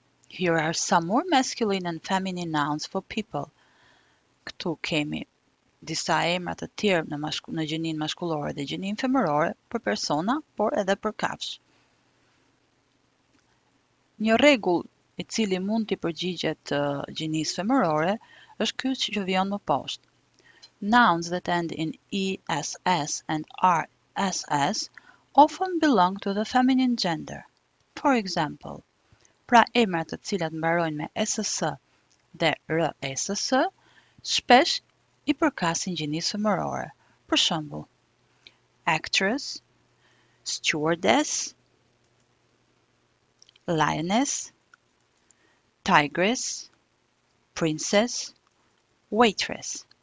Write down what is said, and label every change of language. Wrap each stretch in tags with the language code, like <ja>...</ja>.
<en>Here are some more masculine and feminine nouns for people.</en> <sq>Këtu kemi disa emra të tjerë në gjinin maskullore dhe gjinin femërore për persona, por edhe për kafsh. Një rregull I cili mund t'i përgjigjet të gjinisë femërore është ky që vjen më poshtë.</sq> <en>Nouns that end in ess and rss often belong to the feminine gender. For example,</en> <sq>pra emrat të cilat mbarojnë me ss dhe rss shpesh I përkasin gjinisë femërore. Për shembull,</sq> <en>actress, stewardess, lioness, tigress, princess, waitress.</en>